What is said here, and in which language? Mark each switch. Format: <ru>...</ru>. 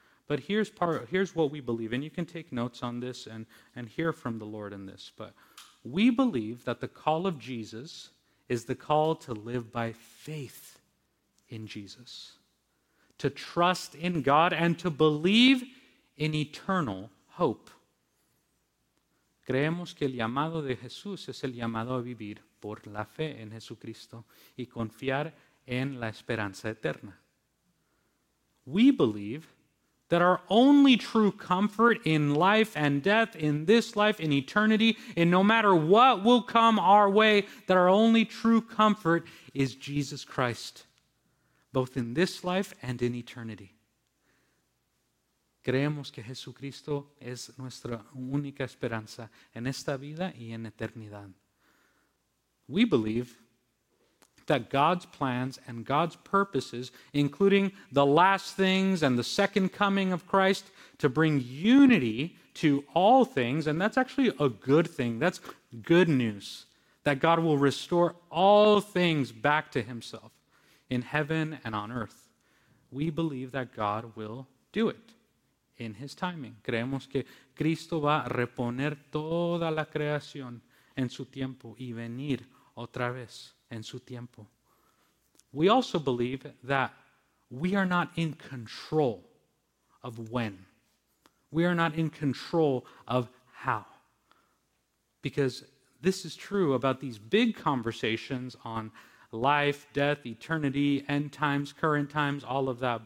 <en>But here's what we believe, and you can take notes on this and hear from the Lord in this. But we believe that the call of Jesus is the call to live by faith in Jesus, to trust in God, and to believe in eternal hope.</en> <es>Creemos que el llamado de Jesús es el llamado a vivir por la fe en Jesucristo y confiar en la esperanza eterna.</es> <en>We believe that our only true comfort in life and death, in this life, in eternity, in no matter what will come our way, that our only true comfort is Jesus Christ, both in this life and in eternity.</en> <es>Creemos que Jesucristo es nuestra única esperanza en esta vida y en eternidad.</es> <en>We believe that God's plans and God's purposes, including the last things and the second coming of Christ, to bring unity to all things, and that's actually a good thing. That's good news, that God will restore all things back to himself in heaven and on earth. We believe that God will do it in his timing.</en> <es>Creemos que Cristo va a reponer toda la creación en su tiempo y venir otra vez en su tiempo.</es> <en>We also believe that we are not in control of when. We are not in control of how. Because this is true about these big conversations on life, death, eternity, end times, current times, all of that.</en>